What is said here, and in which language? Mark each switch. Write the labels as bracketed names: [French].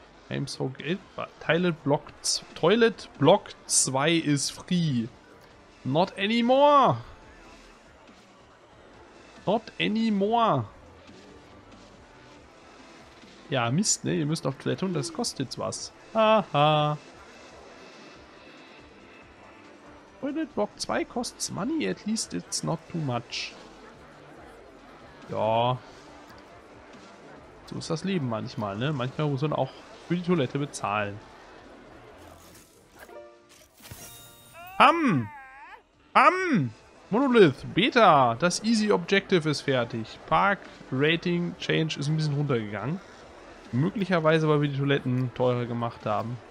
[English] I'm so good. Toilet Block 2 is free. Not anymore. Not anymore. [German] Ja, Mist, ne? Ihr müsst auf Toilette und das kostet was. Haha. [English] Toilet Block 2 costs money, at least it's not too much. [German] Ja. So ist das Leben manchmal, ne? Manchmal muss man auch für die Toilette bezahlen. Bam! Bam! Monolith, Beta, das Easy Objective ist fertig. Park Rating Change ist ein bisschen runtergegangen. Möglicherweise, weil wir die Toiletten teurer gemacht haben.